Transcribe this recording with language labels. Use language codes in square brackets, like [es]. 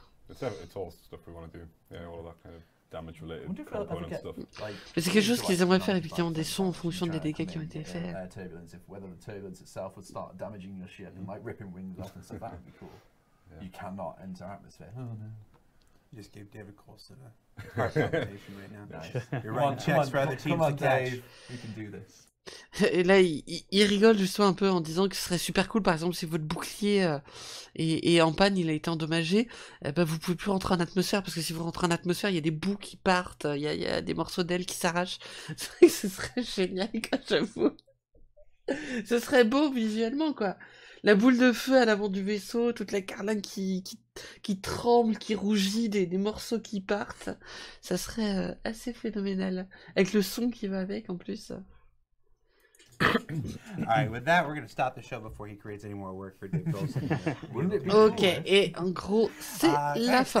[en] It's all stuff we want to do. Yeah, all that kind of damage related component stuff. [fr] Mais c'est quelque chose qu'ils aimeraient faire, effectivement, des sons en fonction des dégâts qui ont été faits. [en] Whether the turbulence itself would start damaging your ship and like ripping wings off and stuff, that would be cool. You cannot enter atmosphere. Just gave David Corson a heart palpitation right now. Nice. You're running checks for other teams to catch. We can do this. [fr] Et là, il rigole justement un peu en disant que ce serait super cool, par exemple, si votre bouclier est en panne, il a été endommagé, vous pouvez plus rentrer en atmosphère, parce que si vous rentrez en atmosphère, il y a des bouts qui partent, il y a des morceaux d'ailes qui s'arrachent. Ce serait génial, quoi, j'avoue. Ce serait beau visuellement, quoi. La boule de feu à l'avant du vaisseau, toute la carlingue qui tremble, qui rougit, des morceaux qui partent, ça serait assez phénoménal. Avec le son qui va avec, en plus. [en] All right, with that, we're going to stop the show before he creates any more work for Dave Golson. [fr] Okay, et en gros, c'est la fin.